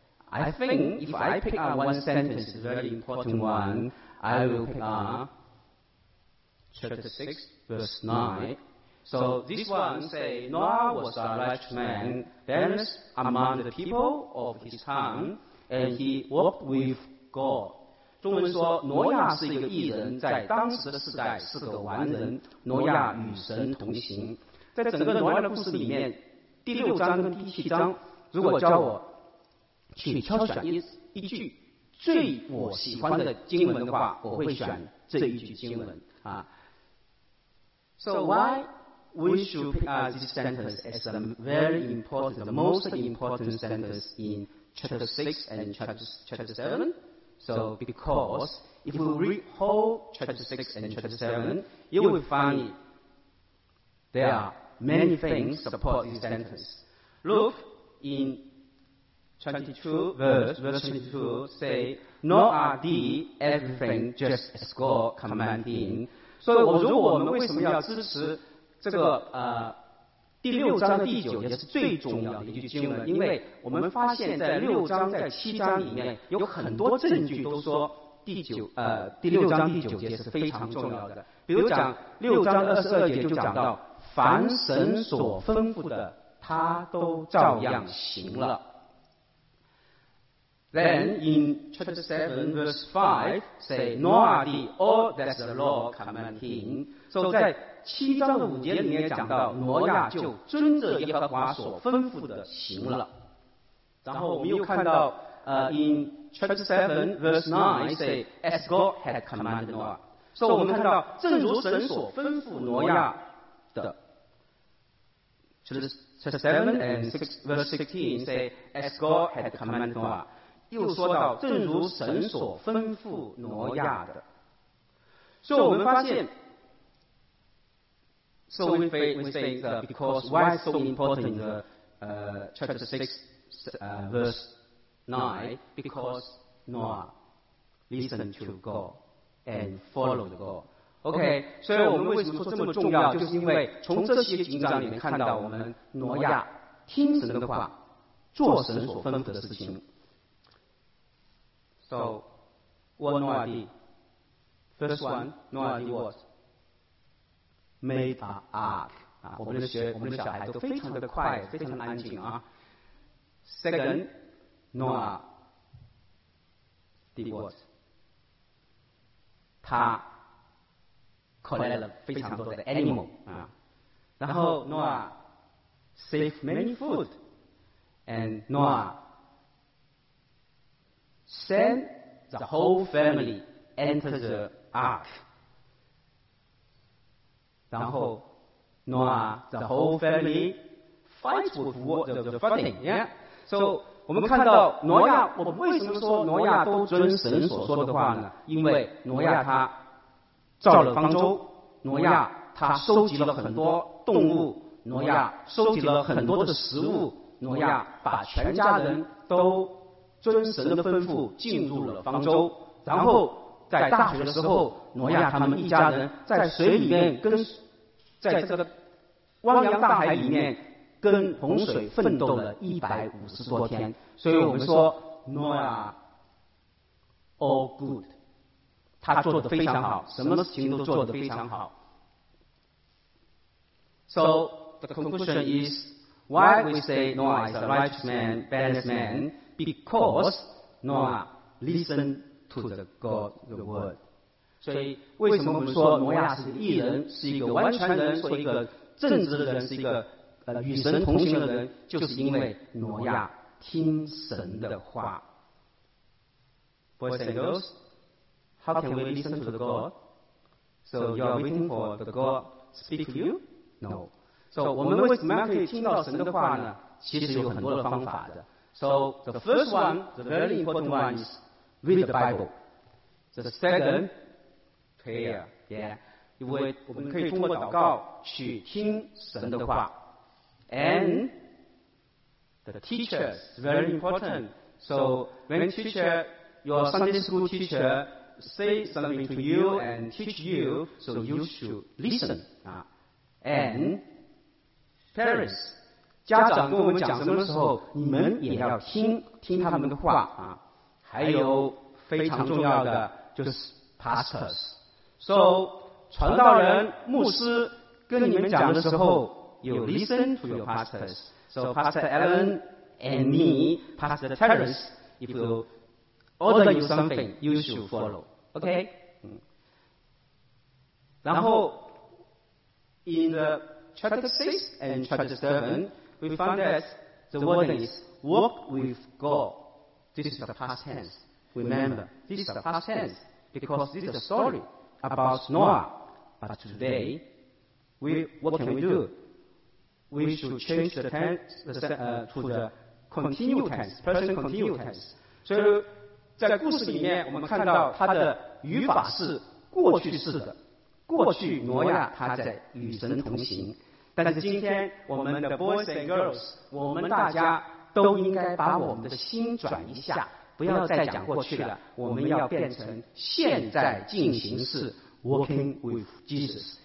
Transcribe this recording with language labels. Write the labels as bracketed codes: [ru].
[en] I think if I pick out one sentence, a very important one, I will pick out chapter 6, verse 9. So this one say, Noah was a righteous man, blameless among the people of his time, and he walked with God. [zh] 中文说挪亚是一个义人，在当时的时代是个完人，挪亚与神同行。在整个挪亚的故事里面，第六章跟第七章，如果叫我去挑选 一句最我喜欢的经文的话，我会选这一句经文啊。 [en] So why we should pick out this sentence as a very important, the most important sentence in chapter 6 and chapter 7? So because if we read whole chapter 6 and chapter 7, you will find there are many things support this sentence. Look in 22, verse 22, say, Noah did everything just as God commanded. [zh] 所以我如果我们为什么要支持这个第六章的第九节是最重要的一句经文，因为我们发现在六章在七章里面有很多证据都说第六章第九节是非常重要的。比如讲六章二十二节就讲到，凡神所吩咐的他都照样行了。 [en] Then in chapter 7 verse 5 say Noah did all that the Lord commanded him. [zh] So 在七章的五节里面讲到挪亚就遵着耶和华所吩咐的行了。然后我们又看到 [en] in chapter 7 verse 9 say as God had commanded Noah. So [zh] 我们看到正如神所吩咐挪亚的， [en] 7 and 6 verse 16 say as God had commanded Noah. [zh] 又说到正如神所吩咐挪亚的。所以我们发现， [en] so we say that because why so important in the chapter 6 verse 9, because Noah listened to God and followed God. [zh] Okay, 所以我们为什么说这么重要，就是因为从这些经章里面看到我们挪亚听神的话，做神所吩咐的事情。 [en] So what Noah did, first one, Noah did whatmade an ark. [zh] 我们的小孩都非常的快，非常的安静啊。 [en] Second, Noah did what? [zh] 他 collect 了非常多的 animal 啊。 [en] 然后 Noah save many food, and Noah send the whole family enter the ark. 然后 Noah the whole family fight with water the flooding、yeah? [zh] So 我们看到挪亚，我们为什么说挪亚都遵神所说的话呢？因为挪亚他造了方舟，挪亚他收集了很多动物，挪亚收集了很多的食物，挪亚把全家人都遵神的吩咐进入了方舟。然后在大水的时候，挪亚他们一家人在水里面跟在这个汪洋大海里面跟洪水奋斗了150多天。所以我们说挪亚 [en] all good, [zh] 他做得非常好，什么事情都做得非常好。 [en] So the conclusion is why we say Noah is a righteous man, blameless man, because Noah listenedto the God, the word. [zh] 所以为什么我们说挪亚是义人，是一个完全人，是一个正直的人，是一个与神同行的人，就是因为挪亚听神的话。 [en] Boys and girls, how can we listen to the God? So you are waiting for the God speak to you? No. [zh] So, 我们为什么可以听到神的话呢？其实有很多的方法的。 [en] So, the first one, the very important one is read the Bible. The second, prayer. [zh] Yeah. 因为我们可以通过祷告去听神的话。 [en] And the teacher is very important. So, when teacher, your Sunday school teacher say something to you and teach you, so you should listen. And parents, [zh] 家长跟我们讲什么的时候，你们也要听听他们的话啊。还有非常重要的就是 pastors. So, 传道人、牧师跟你们讲的时候 [en] You listen to your pastors. So Pastor Alan and me, Pastor Terrence, if you order you something, you should follow. Okay? 然后 in the chapter 6 and chapter 7, we found that the word is walk with God. This is the past tense. Remember, this is the past tense because this is a story about Noah. But today, what can we do? We should change the tense to the continue tense, present continue tense. [zh] 所以在故事里面我们看到它的语法是过去式的。过去挪亚他在与神同行。但是今天我们的 [en] boys and girls, [zh] 我们大家都应该把我们的心转一下，不要再讲过去了，我们要变成现在进行式 [en] walking with Jesus.